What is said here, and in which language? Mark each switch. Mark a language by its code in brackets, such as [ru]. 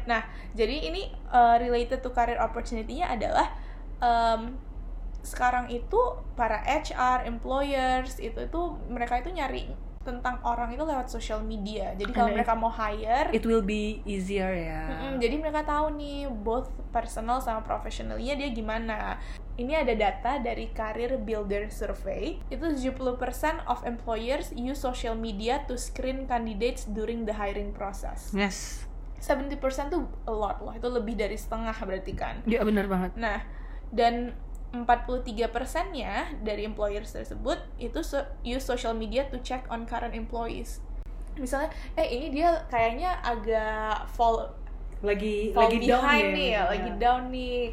[id] Nah, jadi ini [en] related to career opportunity- [id] nya adalah sekarang itu para HR, employers, itu mereka itu nyari tentang orang itu lewat social media. Jadi kalau mereka mau hire, [en] it will be easier ya. [id] Jadi mereka tahu nih both personal sama professionalnya dia gimana. Ini ada data dari Career Builder Survey. [en] Itu 70% of employers use social media to screen candidates during the hiring process. Yes. [id] 70% tuh [en] a lot [id] loh. Itu lebih dari setengah berarti kan. Iya, benar banget. Nah, dan 43%-nya dari [en] employers [id] tersebut itu [en] use social media to check on current employees. [id] Misalnya, ini dia kayaknya agak [en] fall behind, [id] lagi down nih.